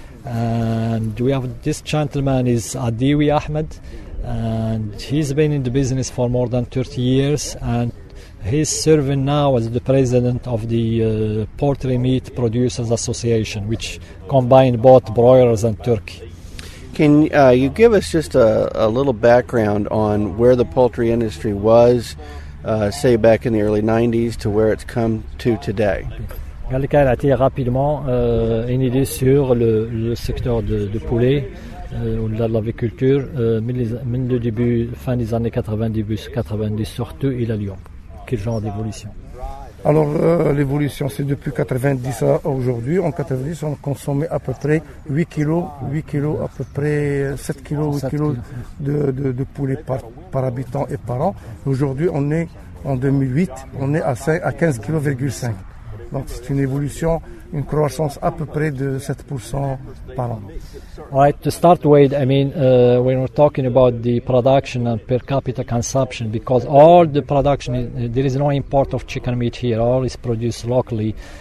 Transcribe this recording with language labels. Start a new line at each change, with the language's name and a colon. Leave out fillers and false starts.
English: And we have this gentleman is Adiwi Ahmed, and he's been in the business for more than 30 years, and he's serving now as the president of the Poultry Meat Producers Association, which combined both broilers and turkey. Can you give us just a little background on where the poultry industry was, say, back in the early 90s to where it's come to today?
French: Dans lequel a été rapidement une idée sur le secteur de poulet au-delà de l'agriculture, mais le début, fin des années 90, début 90, surtout, et à Lyon. Quel genre d'évolution? Alors, l'évolution, c'est depuis 90 à aujourd'hui. En 90, on consommait à peu près 8 kilos, à peu près 7 kilos de poulet par habitant et par an. Aujourd'hui, on est, en 2008, on est à 15,5 kilos. Donc c'est une évolution, une croissance à peu près de 7% par an.
English: Right, to start with, I mean, when we're talking about the production and per capita consumption, because all the production, there is no import of chicken meat here, all is produced locally.